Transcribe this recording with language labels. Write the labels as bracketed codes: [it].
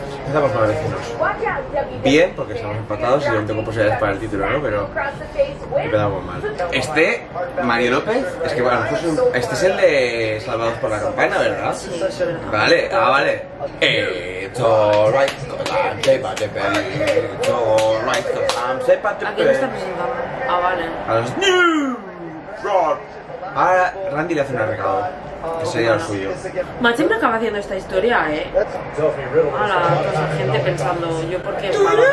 [es] Empezamos con los vecinos. Bien, porque estamos empatados y aún tengo posibilidades para el título, ¿no? Pero empezamos mal. Este, Mario López, es que bueno, pues, este es el de Salvados por la Campana, ¿verdad? Sí, eso es verdad. Vale, ah, vale. [en] It's alright, cause I'm safe at the bay. It's alright, cause I'm safe at the bay. [es] ¿A quién está presentando? Ah, vale. A los New Rock. Ahora Randy le hace un recado. Que sería el suyo. Matt siempre acaba haciendo esta historia, ¿eh? A la gente pensando, yo por qué estaba...